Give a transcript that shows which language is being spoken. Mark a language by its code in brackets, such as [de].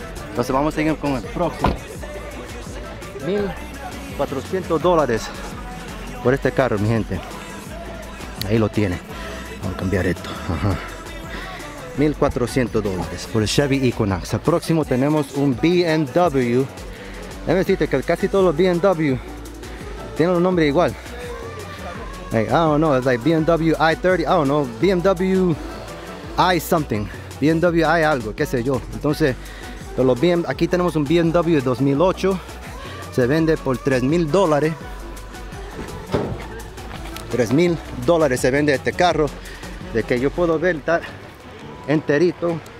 [es] Entonces vamos a seguir con el próximo. $1,400 por este carro, mi gente. Ahí lo tiene. Vamos a cambiar esto. Ajá. $1,400 por el Chevy Equinox. Al próximo tenemos un BMW. Déjame decirte que casi todos los BMW tienen un nombre igual. [en] Hey, I don't know, es like BMW i30, I don't know, BMW i something. [es] BMW hay algo, qué sé yo. Entonces, aquí tenemos un BMW de 2008. Se vende por $3,000. $3,000 se vende este carro. De que yo puedo ver, está enterito.